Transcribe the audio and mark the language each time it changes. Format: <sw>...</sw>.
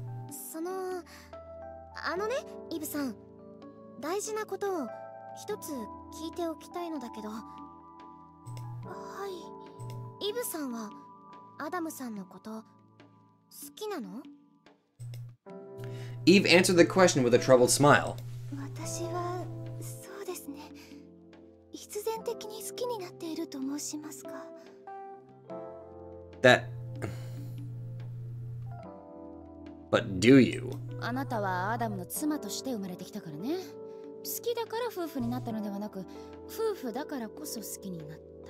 <ja>その、あのね、イブさん、大事なことを一つ聞いておきたいのだけど。はい、イブさんはアダムさんのこと好きなの？</ja> <en>Eve answered the question with a troubled smile.</en> <ja>私はそうですね。必然的に好きになっていると申しますか。</ja> <en>That... But do you?</en> <ja>あなたはアダムの妻として生まれてきたからね。好きだから夫婦になったのではなく、夫婦だからこそ好きになった。</ja>